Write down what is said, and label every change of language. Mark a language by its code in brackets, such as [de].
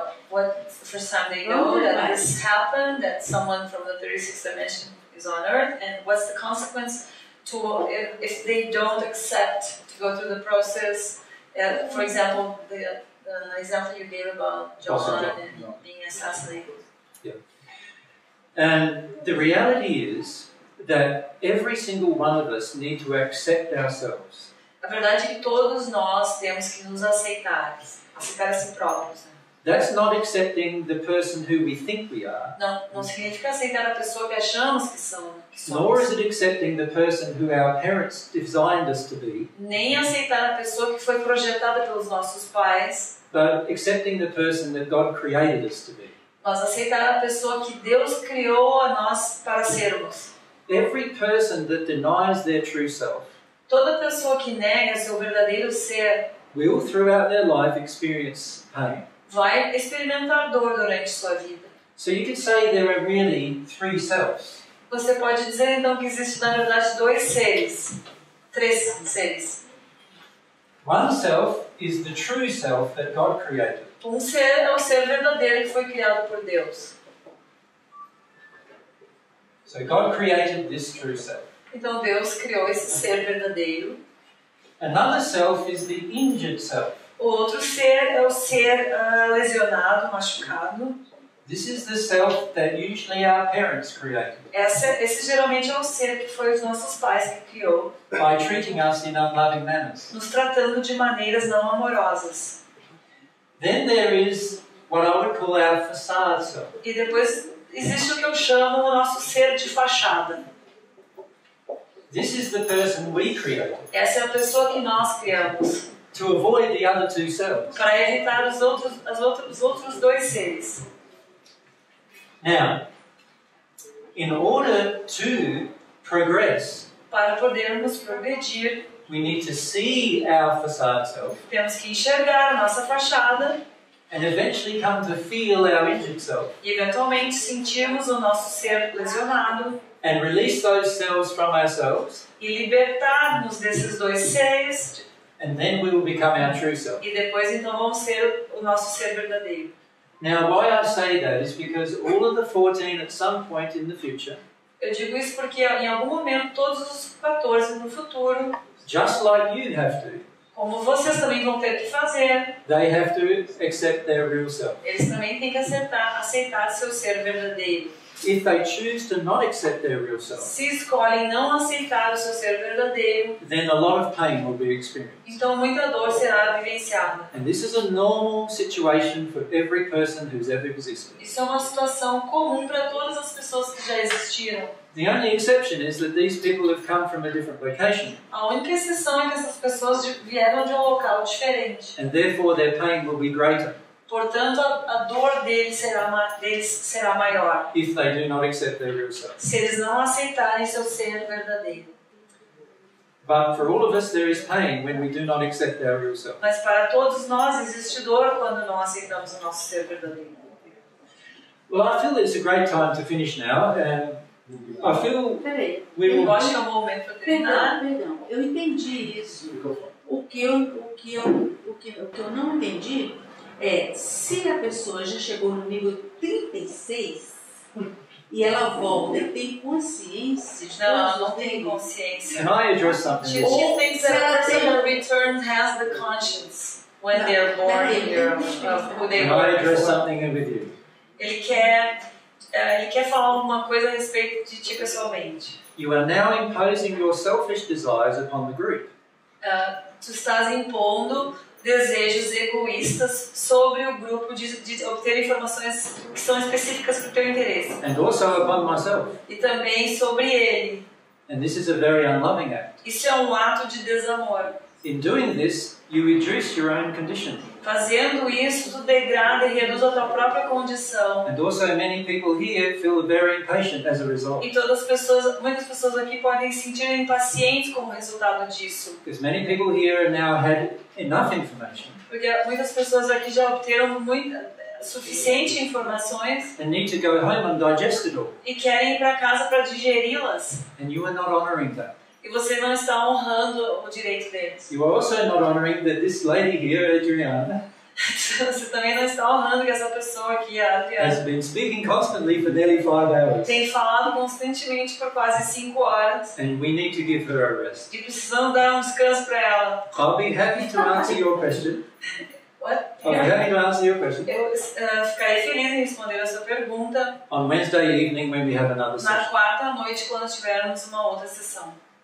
[en] What first time they know that this happened, that someone from the 36th dimension is on Earth, and what's the consequence to if they don't accept to go through the process? For example, the example you gave about John and being assassinated. Yeah. And the reality is that every single one of us need to accept ourselves. [pt] A verdade é que todos nós temos que nos aceitar, aceitar a si próprios. Né? [en] That's not accepting the person who we think we are. [pt] Não significa aceitar a pessoa que achamos que somos. [en] Nor is it accepting the person who our parents designed us to be. [pt] Nem aceitar a pessoa que foi projetada pelos nossos pais. [en] But accepting the person that God created us to be. [pt] Mas aceitar a pessoa que Deus criou a nós para sermos. [en] Every person that denies their true self, [pt] toda pessoa que nega seu verdadeiro ser, [en] will throughout their life experience pain. [pt] Vai experimentar dor durante sua vida. [en] So you can say there are really three selves. [pt] Você pode dizer então que existe na verdade dois seres, três seres. [en] One self is the true self that God created. [pt] Um ser é o ser verdadeiro que foi criado por Deus. [en] So God created this true self. [pt] Então Deus criou esse ser verdadeiro. [en] Another self is the injured self. [pt] O outro ser é o ser lesionado, machucado. [en] This is the self that usually our parents created. [pt] Esse geralmente é o ser que foi os nossos pais que criou. [en] By treating us in unloving manners. [pt] Nos tratando de maneiras não amorosas. [en] Then there is what I would call our facade self. [pt] E depois existe o que eu chamo o nosso ser de fachada. [en] This is the person we created. [pt] Essa é a pessoa que nós criamos. [en] To avoid the other two selves. [pt] Para evitar os outros dois seres. [en] Now, in order to progress, [pt] para podermos progredir, [en] we need to see our facade self. [pt] Temos que enxergar a nossa fachada. [en] And eventually come to feel our injured self. [pt] E eventualmente sentirmos o nosso ser lesionado. [en] And release those selves from ourselves. [pt] E libertar-nos desses dois seres. [en] And then we will become our true self. [pt] E depois então vamos ser o nosso ser verdadeiro. [en] Now, why I say that is because all of the 14 at some point in the future, [pt] eu digo isso porque em algum momento todos os 14 no futuro, [en] just like you have to, [pt] como vocês também vão ter que fazer, [en] they have to accept their real self. [pt] Eles também têm que aceitar seu ser verdadeiro. [en] If they choose to not accept their real self, [pt] se escolhem não aceitar o seu ser verdadeiro, [en] then a lot of pain will be experienced. [pt] Então muita dor será vivenciada. [en] And this is a normal situation for every person who's ever existed. [pt] Isso é uma situação comum para todas as pessoas que já existiram. existiram. [en] The only exception is that these people have come from a different location. [pt] A única exceção é que essas pessoas vieram de um local diferente. [en] And therefore their pain will be greater. [pt] Portanto, a dor deles será maior. [en] If they do not accept their real self. [pt] Se eles não aceitarem seu ser verdadeiro. [en] But for all of us, there is pain when we do not accept our real self. [pt] Mas para todos nós existe dor quando não aceitamos o nosso ser verdadeiro. [en] Well, I feel it's a great time to finish now, and I feel we will. [pt] Acho que é o momento para terminar. Perdão. Eu entendi isso. O que eu não entendi é se a pessoa já chegou no nível 36 e ela volta e tem consciência. Não, ela não tem consciência. [en] Can I address something? She thinks that a person who returns has the conscience when they are born here. Can I address something with you? [pt] Ele quer falar alguma coisa a respeito de ti pessoalmente. [en] You are now imposing your selfish desires upon the group. [pt] Tu estás impondo desejos egoístas sobre o grupo de obter informações que são específicas para o teu interesse. [en] And also upon myself. [pt] E também sobre ele. [en] And this is a very unloving act. [pt] Isso é um ato de desamor. [en] In doing this, you reduce your own condition. [pt] Fazendo isso, tu degrada e reduz a tua própria condição. [en] And also many people here feel very impatient as a result. [pt] E muitas pessoas aqui podem sentir impacientes como resultado disso. [en] Because many people here now had enough information. [pt] Porque muitas pessoas aqui já obteram suficiente informações. [en] And need to go home and digest it all. [pt] E querem ir para casa para digeri-las. [en] And you are not honoring that. [pt] E você não está honrando o direito deles. [en] You are also not honoring that this lady here, Adriana. [pt] Você também não está honrando que essa pessoa aqui, Adriana. [en] Has been speaking constantly for nearly 5 hours. [pt] Tem falado constantemente por quase 5 horas. [en] And we need to give her a rest. [pt] E precisamos dar um descanso para ela. [en] I'll be happy to answer your question. What? I'm happy to answer your question. [pt] Ficarei feliz em responder a sua pergunta. [en] On Wednesday evening when we have another session. [pt] Na quarta noite quando tivermos uma outra sessão.